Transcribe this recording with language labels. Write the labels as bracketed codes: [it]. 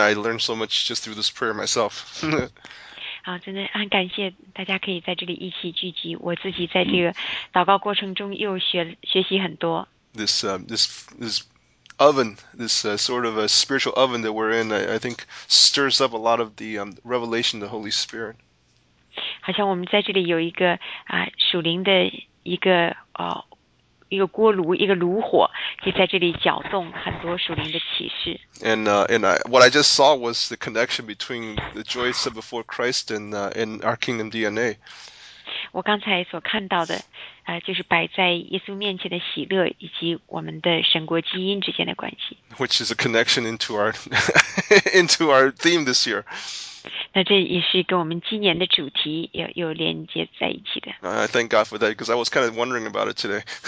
[en] I learned so much just through this prayer myself. [zh] 好，真的很感谢大家可以在这里一起聚集。我自己在这个祷告过程中又学习很多。 [en] This oven, sort of a spiritual oven that we're in, I think stirs up a lot of the revelation of the Holy Spirit. [zh] 好像我们在这里有一个属灵的一个一个锅炉，一个炉火，就在这里搅动很多属灵的启示。 [en] What I just saw was the connection between the joy set before Christ and our kingdom DNA. [zh] 我刚才所看到的，就是摆在耶稣面前的喜乐以及我们的神国基因之间的关系。 [en] Which is a connection into our into our theme this year. [zh] 那这也是跟我们今年的主题有连接在一起的。 [en] I thank God for that because I was kind of wondering about it today.